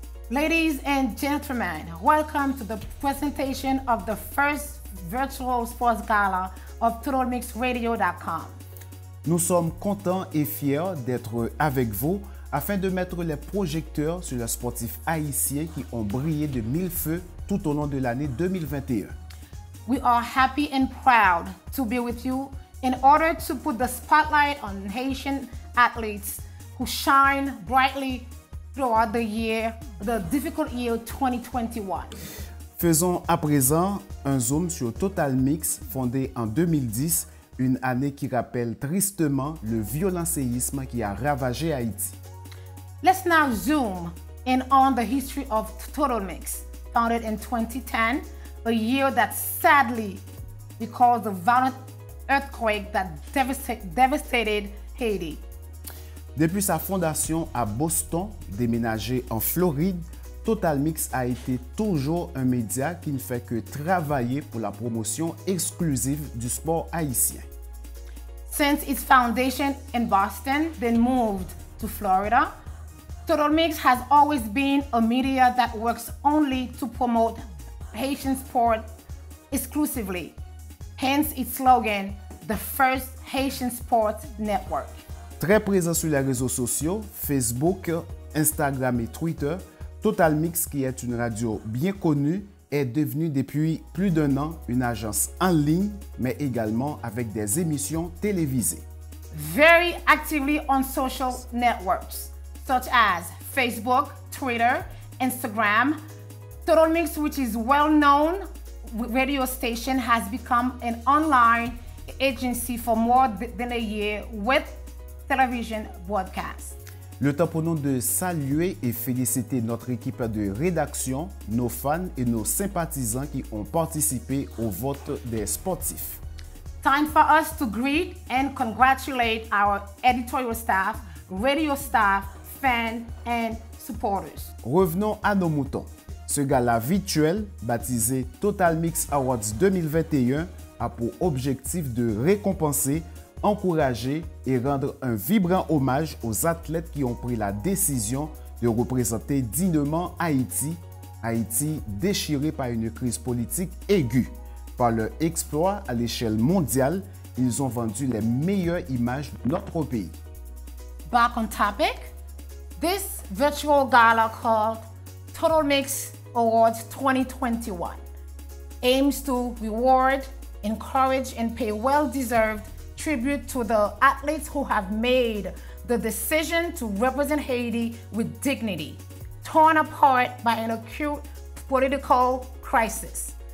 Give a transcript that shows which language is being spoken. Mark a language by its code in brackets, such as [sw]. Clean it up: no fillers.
[en] Ladies and gentlemen, welcome to the presentation of the first virtual sports gala of TotalMixRadio.com. [fr] Nous sommes contents et fiers d'être avec vous afin de mettre les projecteurs sur les sportifs haïtiens qui ont brillé de mille feux tout au long de l'année 2021. [en] We are happy and proud to be with you in order to put the spotlight on Haitian athletes who shine brightly throughout the year, the difficult year 2021. [fr] Faisons à présent un zoom sur Total Mix, fondé en 2010, une année qui rappelle tristement le violent séisme qui a ravagé Haïti. [en] Let's now zoom in on the history of Total Mix, founded in 2010, a year that sadly, because of violent earthquake that devastated Haiti. [fr] Depuis sa fondation à Boston, déménagé en Floride, Total Mix a été toujours un média qui ne fait que travailler pour la promotion exclusive du sport haïtien. [en] Since its foundation in Boston, then moved to Florida, Total Mix has always been a media that works only to promote Haitian sport exclusively. Hence its slogan, the first Haitian sports network. [fr] Très présent sur les réseaux sociaux, Facebook, Instagram et Twitter, Total Mix, qui est une radio bien connue, est devenue depuis plus d'un an une agence en ligne, mais également avec des émissions télévisées. [en] Very actively on social networks, such as Facebook, Twitter, Instagram. Total Mix, which is well-known radio station, has become an online agency for more than a year with television broadcast. [fr] Le temps pour nous de saluer et féliciter notre équipe de rédaction, nos fans et nos sympathisants qui ont participé au vote des sportifs. [en] Time for us to greet and congratulate our editorial staff, radio staff, fans and supporters. [fr] Revenons à nos moutons. Ce gala virtuel, baptisé Total Mix Awards 2021, a pour objectif de récompenser, encourager et rendre un vibrant hommage aux athlètes qui ont pris la décision de représenter dignement Haïti, Haïti déchiré par une crise politique aiguë. Par leur exploit à l'échelle mondiale, ils ont vendu les meilleures images de notre pays. [en] Back on topic, this virtual gala called Total Mix Awards 2021 aims to reward, encourage and pay well-deserved tribute to the athletes who have made the decision to represent Haiti with dignity, torn apart by an acute political crisis.